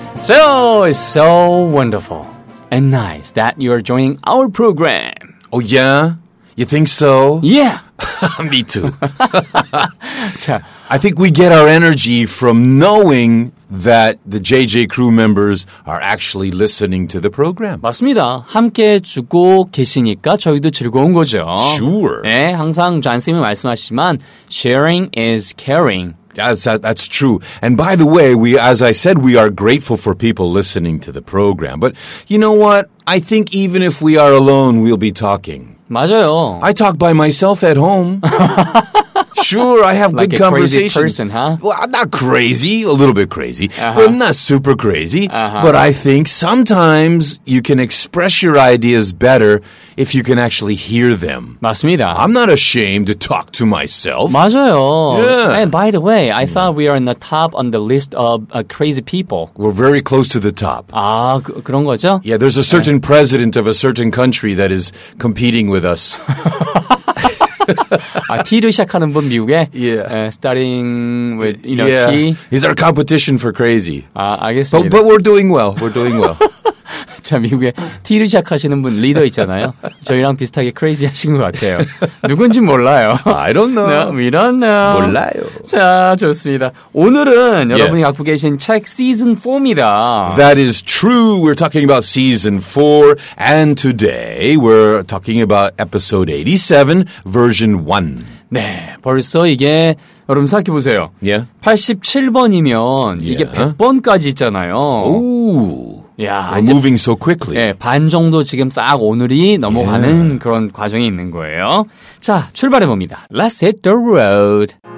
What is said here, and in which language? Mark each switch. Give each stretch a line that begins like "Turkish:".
English: So, it's so wonderful and nice that you're joining our program. Oh yeah? You think so? Yeah. Me too. I think we get our energy from knowing that the JJ crew members are actually listening to the program.
Korean: 맞습니다. 함께 주고 계시니까 저희도 즐거운 거죠.
English: Sure.
Korean: 네, 항상 존쌤이 말씀하시지만
English: sharing is caring. That's true. And by the way, as I said, we are grateful for people listening to the program. But you know what? I think even if we are alone, we'll be talking.
Korean: 맞아요.
English: I talk by myself at home. Sure, I have good conversations. Like a crazy person, huh? Well, I'm not crazy. A little bit crazy. Uh-huh. But I'm not super crazy. Uh-huh. But I think sometimes you can express your ideas better if you can actually hear them.
Korean: 맞습니다.
English: I'm not ashamed to talk to myself.
Korean: 맞아요.
English: Yeah. And by the way, I thought we are in the top on the list of crazy people. We're very close to the top.
Korean: 아, 그런 거죠?
English: Yeah, there's a certain president of a certain country that is competing with us.
Korean: T를 시작하는 분 미국에
English: yeah. Starting with you know yeah. T. He's our competition for crazy.
Korean: 아, 알겠습니다.
English: But we're doing well. We're doing well.
Korean: 자 미국에 T를 시작하시는 분 리더 있잖아요. 저희랑 비슷하게 crazy 하신 것 같아요. 누군지 몰라요.
English: I don't know. No, we don't know.
Korean: 몰라요. 자 좋습니다. 오늘은 yeah. 여러분이 갖고 계신 책 season 4입니다.
English: That is true. We're talking about season 4 and today we're talking about episode 87 version 1.
Korean: 네, 벌써 이게 여러분 생각해보세요.
English: Yeah.
Korean: 87번이면 yeah. 이게 100번까지 있잖아요.
English: Ooh. Yeah, we're moving so quickly.
Korean: 네, 반 정도 지금 싹 오늘이 넘어가는 yeah. 그런 과정이 있는 거예요. 자, 출발해봅니다.
English: Let's hit the road.